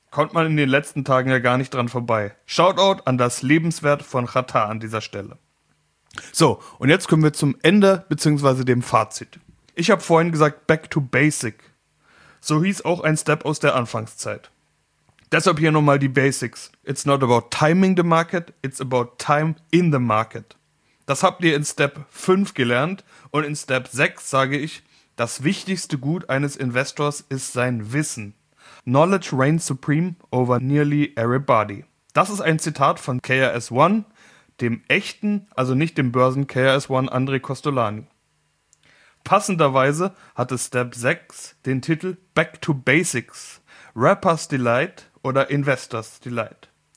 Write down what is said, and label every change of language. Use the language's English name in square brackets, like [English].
[German] Kommt man in den letzten Tagen ja gar nicht dran vorbei. Shoutout an das Lebenswerk von Xatar an dieser Stelle. So, und jetzt kommen wir zum Ende bzw. dem Fazit. Ich habe vorhin gesagt Back to Basic. So hieß auch ein Step aus der Anfangszeit. Deshalb hier nochmal die Basics. [English] It's not about timing the market, it's about time in the market. [German] Das habt ihr in Step 5 gelernt und in Step 6 sage ich, das wichtigste Gut eines Investors ist sein Wissen. [English] Knowledge reigns supreme over nearly everybody. [German] Das ist ein Zitat von KRS-One, dem echten, also nicht dem Börsen-KRS-One André Costolani. Passenderweise hatte Step 6 den Titel Back to Basics, Rapper's Delight oder Investor's Delight.